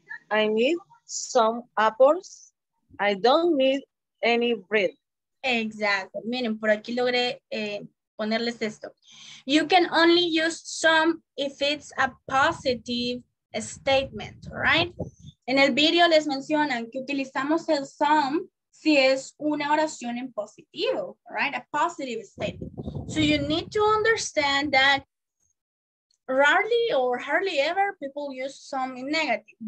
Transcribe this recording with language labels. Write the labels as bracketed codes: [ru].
[en] I need some apples. I don't need any bread. [es] Exacto. Miren, por aquí logré ponerles esto. [en] You can only use some if it's a positive statement, right? [es] En el video les mencionan que utilizamos el some si es una oración en positivo, right? [en] A positive statement. So you need to understand that rarely or hardly ever people use some in negative.